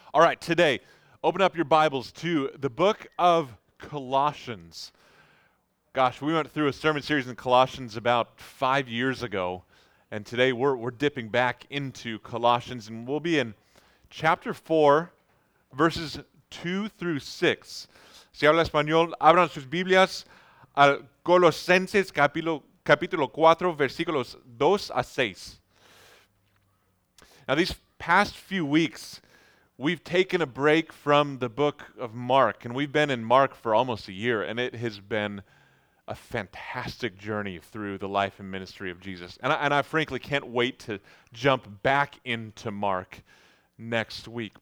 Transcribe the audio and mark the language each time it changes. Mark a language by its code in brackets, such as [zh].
[en] All right, today, open up your Bibles to the book of Colossians. Gosh, we went through a sermon series in Colossians about 5 years ago, and today we're dipping back into Colossians, and we'll be in chapter 4, verses 2 through 6. [es] Si habla español, abran sus Biblias al Colosenses capítulo 4, versículos 2 a 6. [en] Now, these past few weeks, we've taken a break from the book of Mark, and we've been in Mark for almost a year, and it has been a fantastic journey through the life and ministry of Jesus. And I frankly can't wait to jump back into Mark next week.